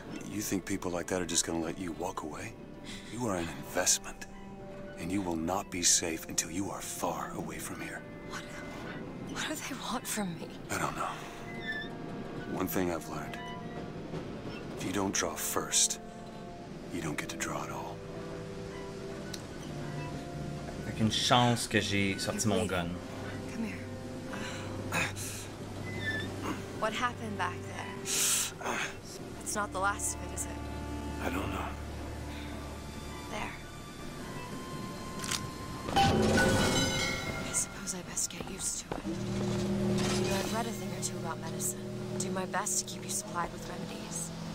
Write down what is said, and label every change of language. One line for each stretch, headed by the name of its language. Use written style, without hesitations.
English: You think people like that are just gonna let you walk away? You are an investment, and you will not be safe until you are far away from here. What do they want from me? I don't know. One thing I've learned. If you don't draw first, you don't get to draw at all.
French: Avec une chance que j'ai sorti mon gun.
English: Come here. What happened back there? It's not the last of it, is it? I don't know. There. I suppose I best get used to it. I've read a thing or two about medicine. Do my best to keep you supplied with remedies.